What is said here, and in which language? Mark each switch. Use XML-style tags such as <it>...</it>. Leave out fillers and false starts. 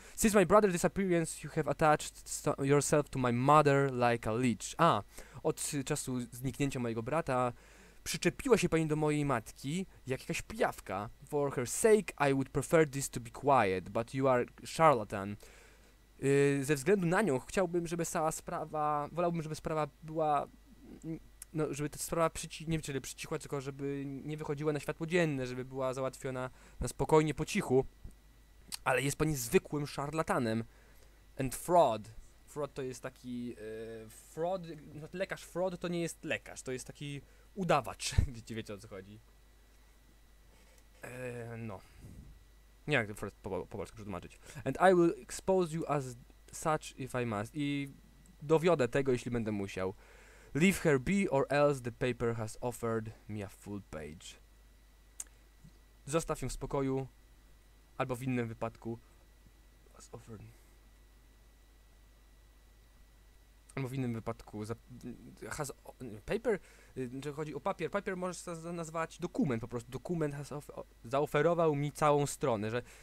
<en>Since my brother's disappearance, you have attached yourself to my mother like a leech.</en> <pl>A, od czasu zniknięcia mojego brata przyczepiła się pani do mojej matki jak jakaś pijawka.</pl> <en>For her sake, I would prefer this to be quiet, but you are charlatan.</en> <pl>Ze względu na nią chciałbym, żeby cała sprawa... Wolałbym, żeby sprawa była... No, żeby ta sprawa przycichła, tylko żeby nie wychodziła na światło dzienne, żeby była załatwiona na spokojnie, po cichu. Ale jest pani zwykłym szarlatanem.</pl> <en>And fraud.</en> <pl>Fraud to jest taki... fraud... Lekarz fraud to nie jest lekarz, to jest taki udawacz. Wiecie o co chodzi. No. Nie wiem, jak to fraud po polsku przetłumaczyć.</pl> <en>And I will expose you as such if I must.</en> <pl>I dowiodę tego, jeśli będę musiał.</pl> <en>Leave her be, or else the paper has offered me a full page.</en> <pl>Zostaw ją w spokoju, albo w innym wypadku...</pl> <en>Has offered...</en> <pl>Albo w innym wypadku...</pl> <en>Has... Paper?</en> <pl>Czy chodzi o papier? Papier możesz nazwać dokument, po prostu. Dokument has zaoferował mi całą stronę, że...</pl>